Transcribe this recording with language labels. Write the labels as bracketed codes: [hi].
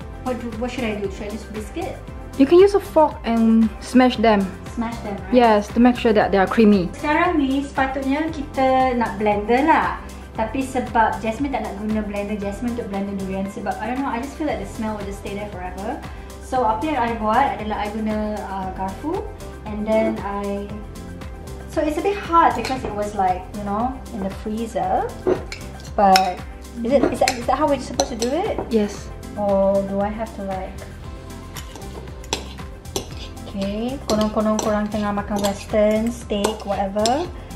[en] What should I do? Should I just whisk it? You can use a fork and smash them. Smash them, right? Yes, to make sure that they are creamy. [ms] Sekarang ni sepatutnya kita nak blender lah. Tapi sebab Jasmine tak nak guna blender, Jasmine untuk blender durian sebab [en] I don't know. I just feel like the smell will just stay there forever. [ms] So apa yang I buat adalah I guna garfu [en] and then I. So it's a bit hard because it was like, you know, in the freezer. But is that how we're supposed to do it? Yes. Or do I have to like... [ms] Okay, korang tengah makan western, steak, whatever.